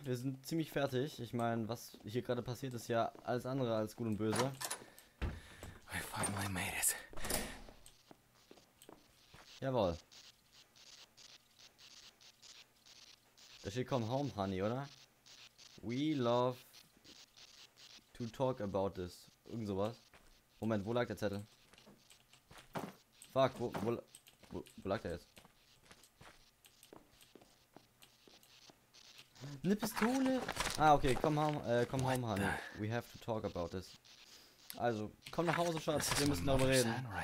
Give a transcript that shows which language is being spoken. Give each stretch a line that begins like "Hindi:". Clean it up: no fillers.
German: Wir sind ziemlich fertig. Ich meine, was hier gerade passiert, ist ja alles andere als gut und böse.
English: I finally made it.
German: Jawohl. Da steht
English: come home, honey,
German: oder?
English: We love to talk about this.
German: Irgend sowas. Moment, wo lag der Zettel? Fuck, wo lag der jetzt? Eine Pistole? Ah, okay,
English: come home, honey. We have to talk about this.
German: Also, komm nach Hause, Schatz. Wir müssen darüber reden.